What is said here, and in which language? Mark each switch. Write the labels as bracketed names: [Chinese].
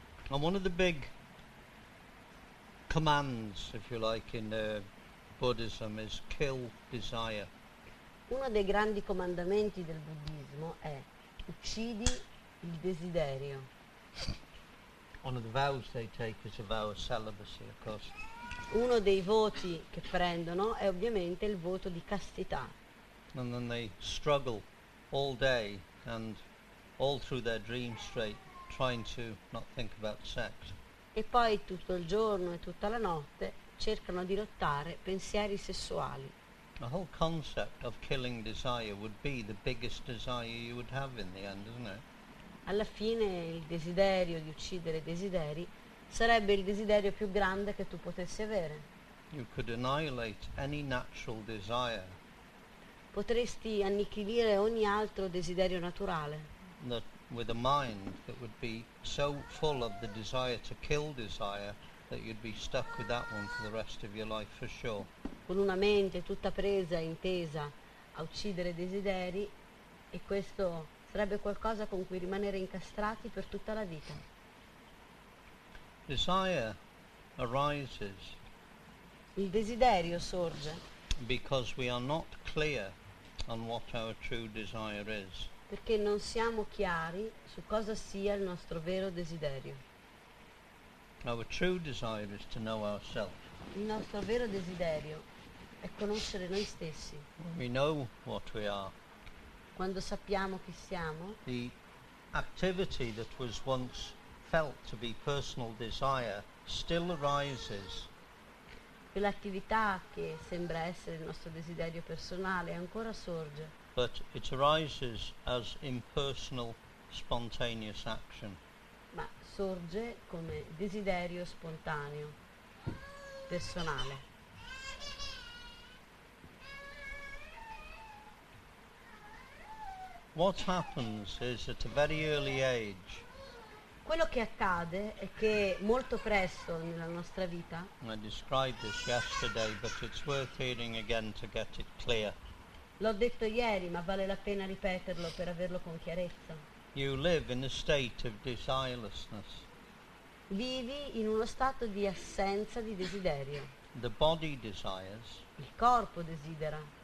[English] And one of the big commands, if you like, in Buddhism is kill desire. [Italian] Uno dei grandi comandamenti del buddismo è uccidi il desiderio. [English] One of the vows they take is a vow of celibacy, of course. [Italian] Uno dei voti che prendono è ovviamente il voto di castità. [English] And then they struggle all day and all through their dream state trying to not think about sex. [Italian] E poi tutto il giorno e tutta la notte cercano di lottare pensieri sessuali. [English] The whole concept of killing desire would be the biggest desire you would have in the end, isn't it? [Italian] Alla fine il desiderio di uccidere desideri sarebbe il desiderio più grande che tu potessi avere. [English] You could annihilate any natural desire. [Italian] Potresti annichilire ogni altro desiderio naturale. [English] That with a mind that would be so full of the desire to kill desire that you'd be stuck with that one for the rest of your life for sure. [Italian] Con una mente tutta presa e intesa a uccidere desideri, e questo sarebbe qualcosa con cui rimanere incastrati per tutta la vita. [English] Desire arises. [Italian] Il desiderio sorge. [English] Because we are not clear on what our true desire is. [Italian] Perché non siamo chiari su cosa sia il nostro vero desiderio. [English] Our true desire is to know ourselves. [Italian] Il nostro vero desiderio è conoscere noi stessi. [English] We know what we are. [Italian] Quando sappiamo chi siamo. [English] The activity that was once felt to be personal desire still arises. [Italian] Quell'attività che sembra essere il nostro desiderio personale ancora sorge. [English] But it arises as impersonal, spontaneous action. [Italian] Ma sorge come desiderio spontaneo, personale. [English] What happens is at a very early age, [Italian] Quello che accade è che molto presto nella nostra vita, [English] I described this yesterday, but it's worth hearing again to get it clear. [Italian] L'ho detto ieri, ma vale la pena ripeterlo per averlo con chiarezza. [English] You live in a state of desirelessness. [Italian] Vivi in uno stato di assenza di desiderio. [English] The body desires. [Italian] Il corpo desidera.